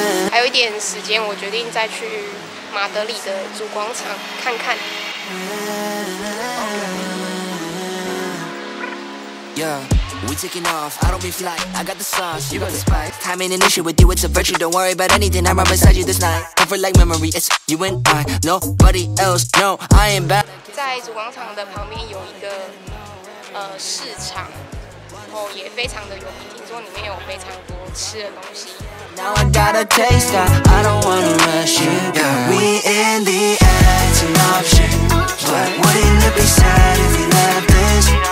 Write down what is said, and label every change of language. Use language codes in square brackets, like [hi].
[zh] 还有一点时间，我决定再去马德里的主广场看看。 [en] Yeah. We taking off, I don't be fly, I got the sauce, you got the spice. Time ain't an issue with you, it's a virtue. Don't worry about anything, I'm right beside you this night. Comfort like memory, it's you and I. Nobody else, no, I ain't bad. [zh] 在主广场的旁边有一个市场，然后也非常的有名，听说里面有非常多吃的东西。 [en] Now I got a taste, I don't wanna rush you. We in the end, it's an option. But wouldn't it be sad if you left this?